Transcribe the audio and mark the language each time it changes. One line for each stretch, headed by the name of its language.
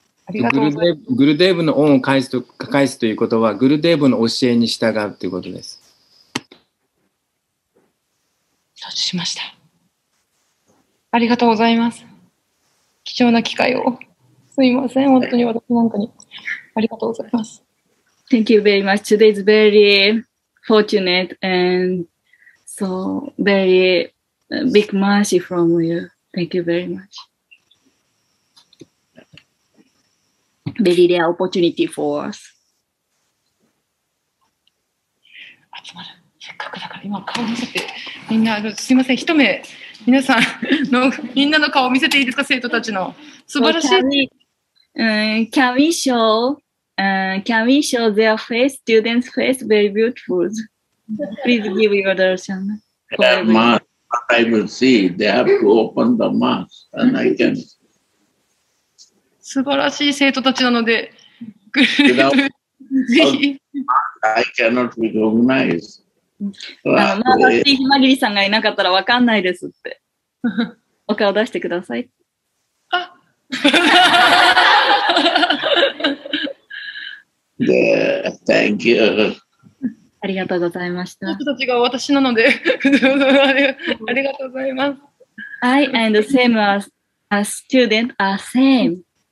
Japanese: グルデーブの恩を返すということは、グルデーブの教えに従うということです。承知しました。ありがとうございます。貴重な機会を。すいません、本当に私なんかに。ありがとうございます。
English: Thank you very much. Today is very fortunate and so very big mercy from you. Thank you very much. Very rare opportunity for us.
Japanese: 集まる。せっかくだから今顔見せて、みんな、すみません、一目、皆さんの、みんなの顔見せていいですか、生徒たちの。素晴らしい。
English: Can we show their face, students' face, very beautiful. Please give your darshan. Their mask, I will see. They have to open the mask and I can.
Japanese: 素晴らしい生徒たちなので、
English: I cannot recognize.
Japanese: まだひまぎりさんがいなかったらわかんないですって。お顔出してください。あ、
English: で、thank you.
Japanese: ありがとうございました。生徒たちが私なので、ありがとうございます。
English: I and the same as student are same.